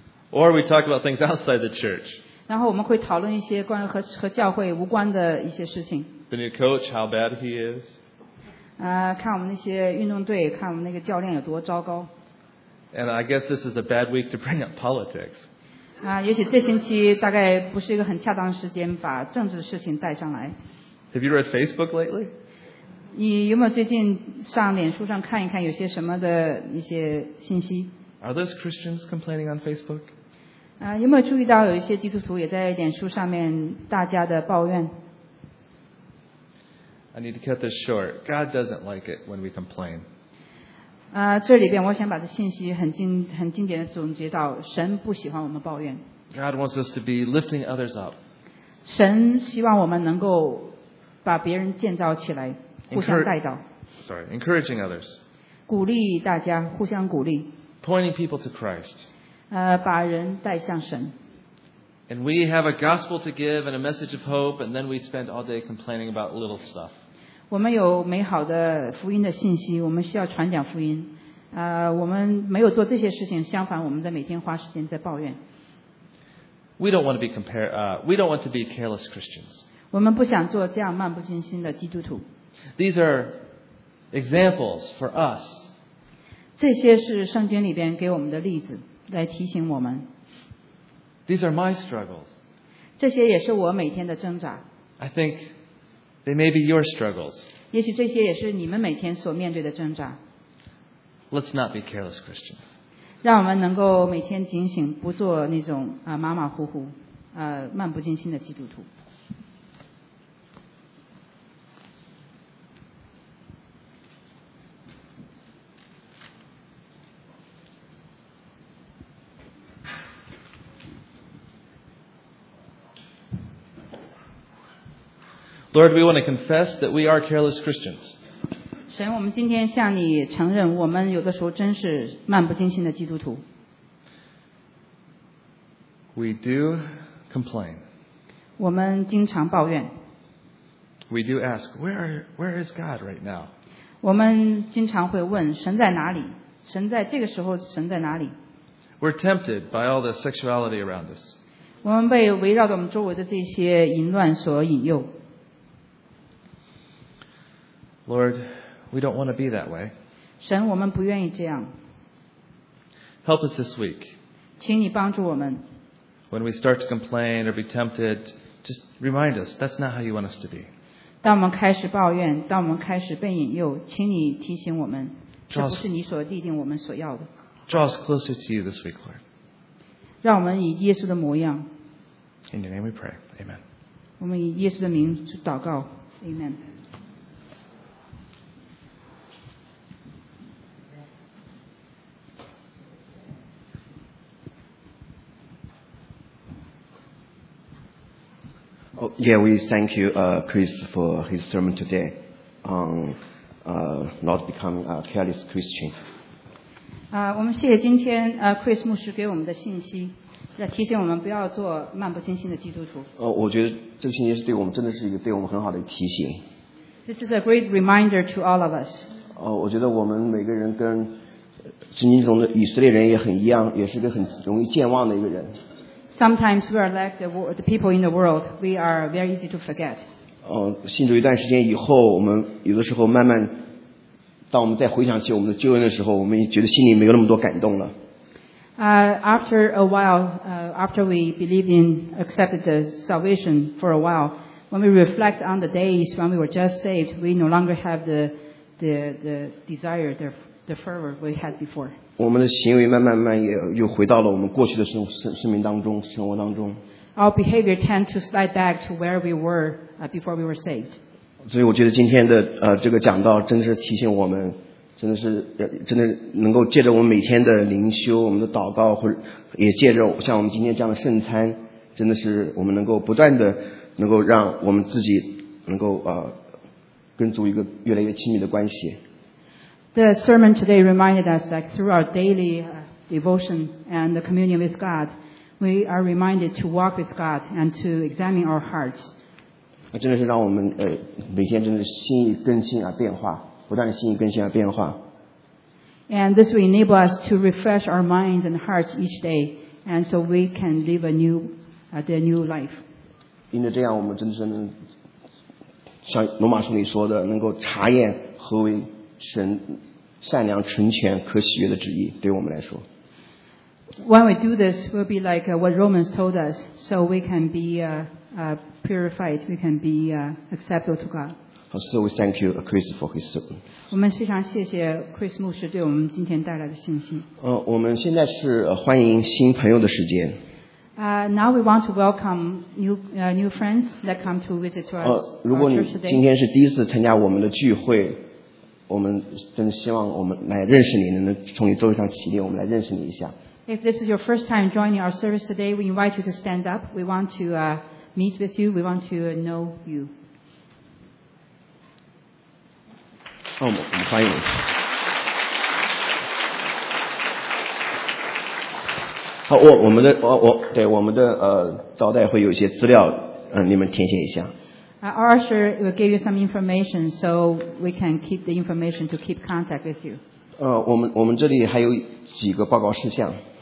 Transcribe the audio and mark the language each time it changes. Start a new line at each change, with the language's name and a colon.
English: ？Or we talk about things outside the church.
Chinese: 然后我们会讨论一些关于和教会无关的一些事情。
English: The new coach, how bad he is.
Chinese: 看我们那些运动队，看我们那个教练有多糟糕。
English: And I guess this is a bad week to bring up politics.
Chinese: 也许这星期大概不是一个很恰当的时间把政治的事情带上来。
English: Have you read Facebook lately?
Chinese: 你有没有最近上脸书上看一看有些什么的一些信息？
English: Are those Christians complaining on Facebook?
Chinese: 有没有注意到有一些基督徒也在脸书上面大家的抱怨？
English: I need to cut this short. God doesn't like it when we complain.
Chinese: 这里边我想把这信息很经典的总结到，神不喜欢我们抱怨。
English: God wants us to be lifting others up.
Chinese: 神希望我们能够把别人建造起来，互相带到。
English: Sorry, encouraging others.
Chinese: 鼓励大家，互相鼓励。
English: Pointing people to Christ.
Chinese: 把人带向神。
English: And we have a gospel to give and a message of hope, and then we spend all day complaining about little stuff.
Chinese: 我们有美好的福音的信息，我们需要传讲福音。我们没有做这些事情，相反，我们在每天花时间在抱怨。
English: We don't want to be we don't want to be careless Christians.
Chinese: 我们不想做这样漫不经心的基督徒。
English: These are examples for us.
Chinese: 这些是圣经里边给我们的例子，来提醒我们。
English: These are my struggles.
Chinese: 这些也是我每天的挣扎。
English: I think they may be your struggles.
Chinese: 也许这些也是你们每天所面对的挣扎。
English: Let's not be careless Christians.
Chinese: 让我们能够每天警醒，不做那种马马虎虎、漫不经心的基督徒。
English: Lord, we want to confess that we are careless Christians.
Chinese: 神，我们今天向你承认，我们有的时候真是漫不经心的基督徒。
English: We do complain.
Chinese: 我们经常抱怨。
English: We do ask, where is God right now?
Chinese: 我们经常会问，神在哪里？神在这个时候，神在哪里？
English: We're tempted by all the sexuality around us.
Chinese: 我们被围绕着我们周围的这些淫乱所引诱。
English: Lord, we don't want to be that way.
Chinese: 神，我们不愿意这样。
English: Help us this week.
Chinese: 请你帮助我们。
English: When we start to complain or be tempted, just remind us that's not how you want us to be.
Chinese: 当我们开始抱怨，当我们开始被引诱，请你提醒我们，这不是你所立定我们所要的。
English: Draw us closer to you this week, Lord.
Chinese: 让我们以耶稣的模样。
English: In your name we pray. Amen.
Chinese: 我们以耶稣的名祷告。Amen.
English: Yeah, we thank you, Chris, for his sermon today on not becoming a careless Christian.
Chinese: 我们谢谢今天Chris 牧师给我们的信息，要提醒我们不要做漫不经心的基督徒。我觉得这个信息是对我们真的是一个对我们很好的提醒。
English: This is a great reminder to all of us.
Chinese: 我觉得我们每个人跟圣经中的以色列人也很一样，也是个很容易健忘的一个人。
English: Sometimes we are like the people in the world. We are very easy to forget.
Chinese: 信主一段时间以后，我们有的时候慢慢，当我们再回想起我们的救恩的时候，我们也觉得心里没有那么多感动了。
English: After a while, after we believe in accepted the salvation for a while, when we reflect on the days when we were just saved, we no longer have the desire, the fervor we had before.
Chinese: 我们的行为慢慢慢也又回到了我们过去的生命当中生活当中。
English: Our behavior tend to slide back to where we were before we were saved.
Chinese: 所以我觉得今天的这个讲道真的是提醒我们真的能够借着我们每天的灵修我们的祷告或者也借着像我们今天这样的圣餐真的是我们能够不断的能够让我们自己能够跟主一个越来越亲密的关系。
English: The sermon today reminded us that through our daily devotion and the communion with God, we are reminded to walk with God and to examine our hearts.
Chinese: 真的是让我们每天真的心意更新而变化，不断的心意更新而变化。
English: And this will enable us to refresh our minds and hearts each day, and so we can live the new life.
Chinese: 因为这样，我们真的是能像罗马书里说的，能够查验何为。神善良纯全可喜悦的旨意对我们来说
English: When we do this we'll be like what Romans told us so we can be purified we can be acceptable to God So we thank you Chris for his sermon
Chinese: 我们非常谢谢 Chris 牧师对我们今天带来的信息我们现在是欢迎新朋友的时间
English: Now we want to welcome new friends that come to visit to us
Chinese: 如果你今天是第一次参加我们的聚会我们真的希望我们来认识你能从你座位上起立我们来认识你一下
English: If this is your first time joining our service today we invite you to stand up we want to meet with you we want to know you
Chinese: 我们欢迎你好 我们的招待会有一些资料你们填写一下
English: Our usher will give you some information so we can keep the information to keep contact with you.
Chinese: 我们这里还有几个报告事项。